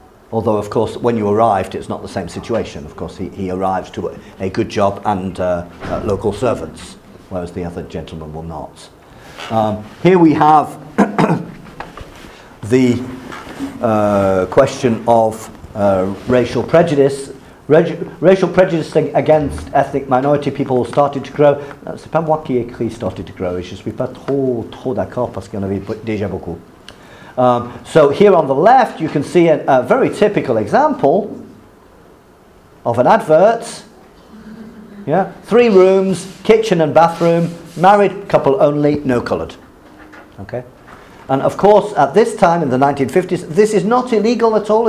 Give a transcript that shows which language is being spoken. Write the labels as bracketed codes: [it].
[en] Although, of course, when you arrived, it's not the same situation. Of course, he arrives to a good job and local servants, whereas the other gentleman will not. Here we have the question of racial prejudice. Racial prejudice against ethnic minority people started to grow. [fr] C'est pas moi qui ai écrit [en] started to grow. [fr] Je suis pas trop d'accord parce qu'il y en avait déjà beaucoup. [en] So here on the left, you can see a very typical example of an advert. Yeah, three rooms, kitchen and bathroom, married couple only, no coloured. Okay, and of course, at this time in the 1950s, this is not illegal at all.